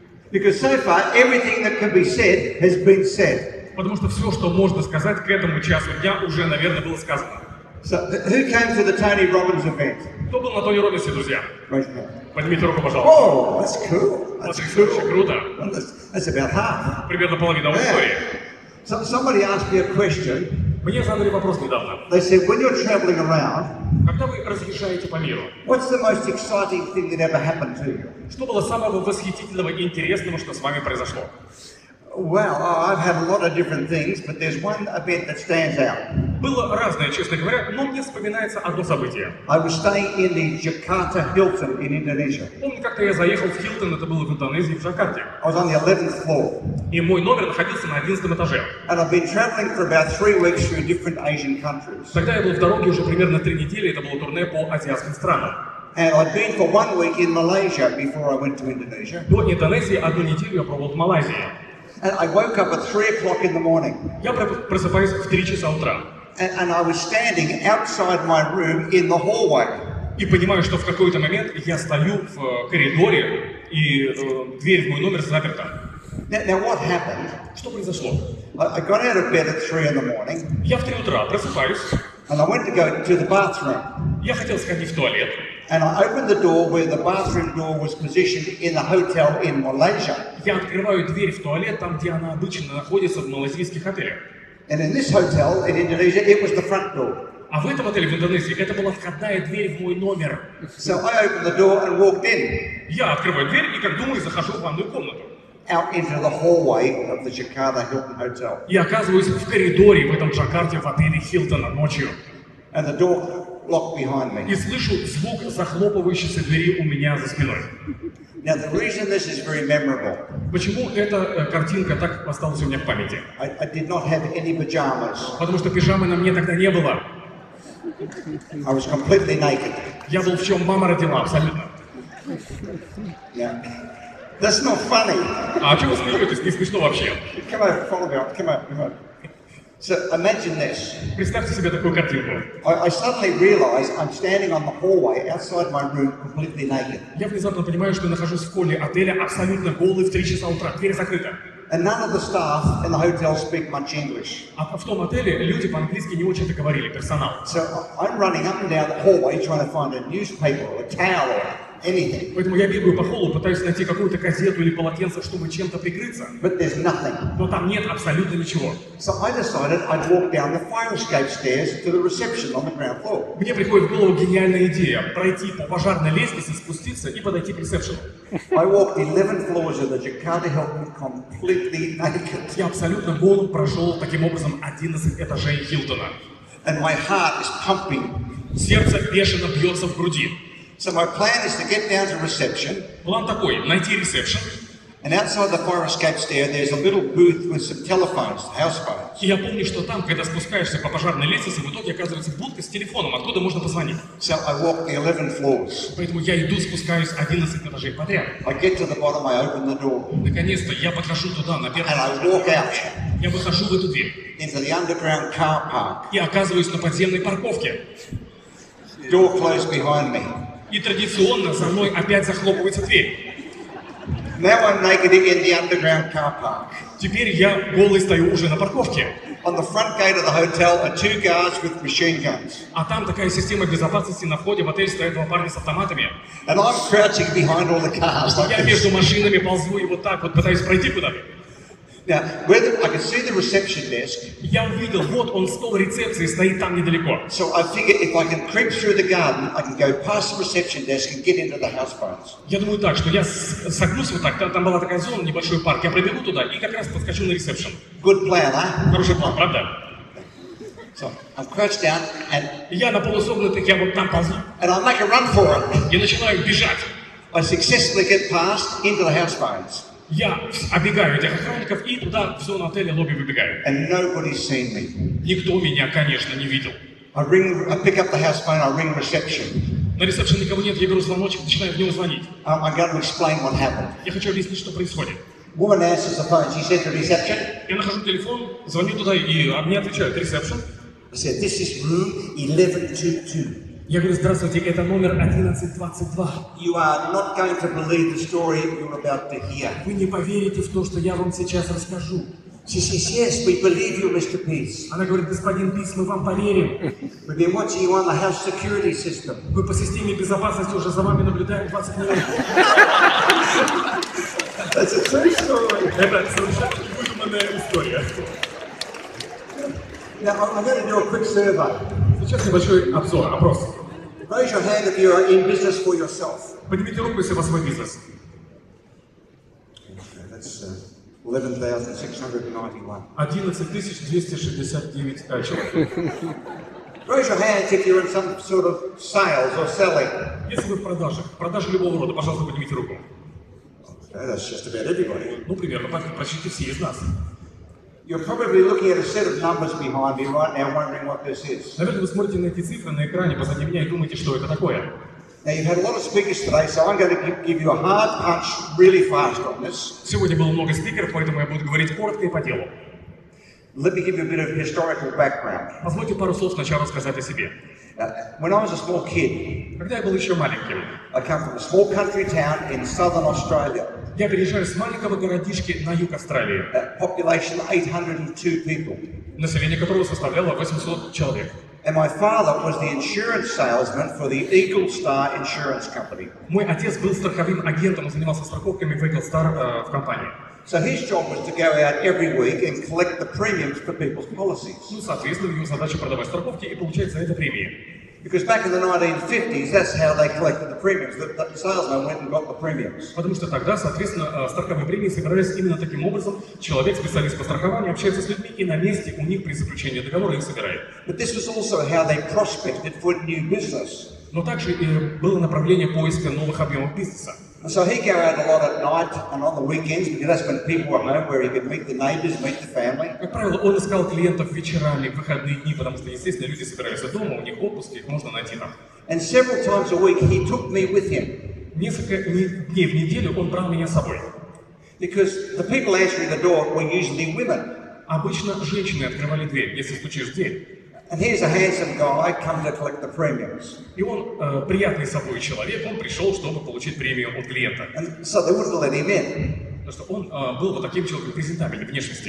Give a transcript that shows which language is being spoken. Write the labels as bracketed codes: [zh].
[en] Because so far everything that can be said has been said. [ru] Потому что все, что можно сказать к этому часу дня, уже, наверное, было сказано. [en] So, who came to the Tony Robbins event? [ru] Кто был на Тони Робинсе, друзья? [en] Right now. [ru] Поднимите руку, пожалуйста. [en] Oh, that's cool. That's cool. [ru] Это очень круто. [en] That's about half. [ru] Примерно половина аудитории. [en] Yeah. Somebody asked me a question. [ru] Мне задали вопрос недавно. [en] They said, when you're traveling around, [ru] когда вы разъезжаете по миру, [en] what's the most exciting thing that ever happened to you? [ru] Что было самого восхитительного и интересного, что с вами произошло? [en] Well, I've had a lot of different things, but there's one event that stands out. [ru] Было разное, честно говоря, но мне вспоминается одно событие. [en] I was staying in the Jakarta Hilton in Indonesia. [ru] Помню, как-то я заехал в Хилтон, это было в Индонезии, в Джакарте. [en] I was on the 11th floor. [ru] И мой номер находился на 11 этаже. [en] And I've been traveling for about 3 weeks through different Asian countries. [ru] Тогда я был в дороге уже примерно 3 недели, это было турне по азиатским странам. [en] And I'd been for 1 week in Malaysia before I went to Indonesia. [ru] До Индонезии 1 неделю я пробыл в Малайзии. [en] And I woke up at 3 o'clock in the morning. [ru] Я просыпаюсь в 3 часа утра. [en] And I was standing outside my room in the hallway. [ru] И понимаю, что в какой-то момент я стою в коридоре, и дверь в мой номер заперта. [en] Now what happened? [ru] Что произошло? [en] I got out of bed at 3 in the morning. [ru] Я в 3 утра просыпаюсь. [en] And I went to go to the bathroom. [ru] Я хотел сходить в туалет. [en] And I opened the door where the bathroom door was positioned in the hotel in Malaysia. [ru] Я открываю дверь в туалет, там, где она обычно находится в малазийских отелях. [en] And in this hotel in Indonesia, it was the front door. [ru] А в этом отеле в Индонезии это была входная дверь в мой номер. [en] So I opened the door and walked in. [ru] Я открываю дверь и, как думаю, захожу в ванную комнату. [en] Out into the hallway of the Jakarta Hilton hotel. [ru] И оказываюсь в коридоре в этом Джакарте в отеле Хилтона ночью. [en] And the door locked behind me. [ru] И слышу звук захлопывающейся двери у меня за спиной. [en] Now the reason this is very memorable. [ru] Почему эта картинка так осталась у меня в памяти? [en] I did not have any pajamas. [ru] Потому что пижамы на мне тогда не было. [en] I was completely naked. [ru] Я был в чем мама родила, абсолютно. [en] Yeah. That's not funny. [ru] А о чем вы смеетесь? Не смешно вообще. [en] Come on, follow me up. Come on, come on. So imagine this. [ru] Представьте себе такую картинку. [en] I suddenly realize I'm standing on the hallway outside my room completely naked. [ru] Я внезапно понимаю, что нахожусь в холле отеля абсолютно голый в 3 часа утра, дверь закрыта. [en] And none of the staff in the hotel speak much English. [ru] А в том отеле люди по-английски не очень-то говорили, персонал. [en] So I'm running up and down the hallway trying to find a newspaper or a towel or anything. [ru] Поэтому я бегаю по холлу, пытаюсь найти какую-то газету или полотенце, чтобы чем-то прикрыться. [en] But there's nothing. [ru] Но там нет абсолютно ничего. [en] So I decided I'd walk down the fire escape stairs to the reception on the ground floor. [ru] Мне приходит в голову гениальная идея пройти по пожарной лестнице, спуститься и подойти к ресепшену. [en] I walked 11 floors of the Jakarta Hilton completely naked. [ru] Я абсолютно голым прошел таким образом 11 этажей Хилтона. [en] And my heart is pumping. [ru] Сердце бешено бьется в груди. [en] So my plan is to get down to reception. [ru] План такой: найти ресепшн. [en] And outside the fire escape stair, there's a little booth with some telephones, house phones. [ru] Я помню, что там, когда спускаешься по пожарной лестнице, в итоге оказывается будка с телефоном, откуда можно позвонить. [en] So I walk the 11 floors. [ru] Поэтому я иду, спускаюсь 11 этажей подряд. [en] I get to the bottom, I open the door. [ru] Наконец-то я подхожу туда, на первый этаж. [en] And I walk out. [ru] Я выхожу в эту дверь. [en] Into the underground car park. [ru] И оказываюсь на подземной парковке. [en] Door closed behind me. [ru] И традиционно за мной опять захлопывается дверь. [en] Now I'm naked in the underground car park. [ru] Теперь я голый стою уже на парковке. [en] On the front gate of the hotel are 2 guards with machine guns. [ru] А там такая система безопасности на входе в отель, стоят 2 парня с автоматами. [en] And I'm crouching behind all the cars. [ru] Я между машинами ползу и вот так вот пытаюсь пройти куда-то. [en] Now, where I can see the reception desk. [ru] Я увидел, вот он стол рецепции стоит там недалеко. [en] So I figure if I can creep through the garden, I can go past the reception desk and get into the house phones. [ru] Я думаю так, что я согнусь вот так, там была такая зона, небольшой парк, я пробегу туда и как раз подскочу на ресепшн. [en] Good plan, huh? [ru] Хороший план, правда? [en] So I'm crouched down and. [ru] Я на полусогнутых, я вот там ползу. [en] And I make a run for it. [ru] Я начинаю бежать. [en] I successfully get past into the house phones. [ru] Я оббегаю этих охранников и туда, в зону отеля, лобби выбегаю. [en] And nobody's seen me. [ru] Никто меня, конечно, не видел. [en] I pick up the house phone, I ring reception. [ru] На ресепшене никого нет, я беру звоночек, начинаю в него звонить. [en] I got to explain what happened. [ru] Я хочу объяснить, что происходит. [en] Woman answers the phone. She said to reception. [ru] Я нахожу телефон, звоню туда, и мне отвечают, reception. [en] I said, this is room 1122. [ru] Я говорю, здравствуйте, это номер 1122. [en] You are not going to believe the story you're about to hear. [ru] Вы не поверите в то, что я вам сейчас расскажу. [en] She says, yes, we believe you, Mr. Pease. [ru] Она говорит, господин Пиз, мы вам поверим. [en] We've been watching you on the house security system. [ru] Мы по системе безопасности уже за вами наблюдаем 20 минут. [en] That's a true story. [ru] Это совершенно выдуманная история. [en] Now, I'm going to do a quick survey. [ru] Сейчас небольшой обзор, опрос. [en] Raise your hand if you are in business for yourself. [ru] Поднимите руку, если у вас свой бизнес. [en] Okay, that's [ru] 11,269 человек. [en] Raise your hand if you're in some sort of sales or selling. [ru] Если вы в продажах, продажи любого рода, пожалуйста, поднимите руку. [en] Okay, that's just about everybody. [ru] Ну, примерно, почти все из нас. [en] You're probably looking at a set of numbers behind me right now, wondering what this is. [ru] Наверное, вы смотрите на эти цифры на экране позади меня и думаете, что это такое. [en] Now you've had a lot of speakers today, so I'm going to give you a hard punch really fast on this. [ru] Сегодня было много спикеров, поэтому я буду говорить коротко и по делу. [en] Let me give you a bit of historical background. [ru] Позвольте пару слов сначала сказать о себе. [en] When I was a small kid, [ru] когда я был еще маленьким, [en] I come from a small country town in southern Australia. [ru] Я переезжаю с маленького городишки на юг Австралии. [en] Population 802 people. [ru] Население которого составляло 800 человек. [en] And my father was the insurance salesman for the Eagle Star Insurance Company. [ru] Мой отец был страховым агентом, занимался страховками в Eagle Star в компании. [en] So his job was to go out every week and collect the premiums for people's policies. [ru] Ну, соответственно, его задача продавать страховки и получать за это премии. [en] Because back in the 1950s, that's how they collected the premiums. The salesman went and got the premiums. [ru] Потому что тогда, соответственно, страховые премии собирались именно таким образом. Человек, специалист по страхованию, общается с людьми и на месте у них при заключении договора их собирает. [en] But this was also how they prospected for new business. [ru] Но также было направление поиска новых объемов бизнеса. [en] And so he go out a lot at night and on the weekends because that's when people were home, where he could meet the neighbors, meet the family. [ru] Как правило, он искал клиентов вечерами, в выходные дни, потому что, естественно, люди собираются дома, у них отпуск, их можно найти там. [en] And several times a week he took me with him. [ru] Несколько дней в неделю он брал меня с собой. [en] Because the people answering the door were usually women. [ru] Обычно женщины открывали дверь, если стучишь в дверь. [en] And here's a handsome guy come to collect the premiums. [ru] И он приятный собой человек, он пришел, чтобы получить премию от клиента. [en] And so they wouldn't let him in. [ru] Потому что он был вот таким человеком презентабельной внешности.